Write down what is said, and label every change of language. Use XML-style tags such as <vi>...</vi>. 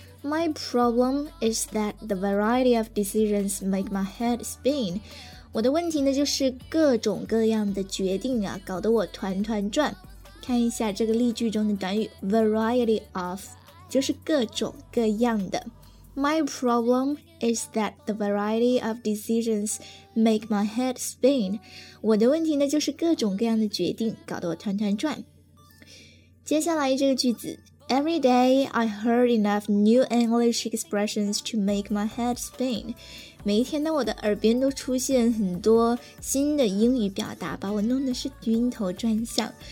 <en>My problem is that the variety of decisions make my head spin.</en> <zh>我的问题呢就是各种各样的决定啊搞得我团团转。看一下这个例句中的短语</zh> <en>variety of,</en> <zh>就是各种各样的。</zh> <en>My problem is that the variety of decisions make my head spin.</en> <zh>我的问题呢就是各种各样的决定搞得我团团转。接下来这个句子。</zh> <en>Every day, I heard enough new English expressions to make my head spin.</en> <zh>每一天呢，我的耳边都出现很多新的英语表达，把我弄的是晕头转向。</zh>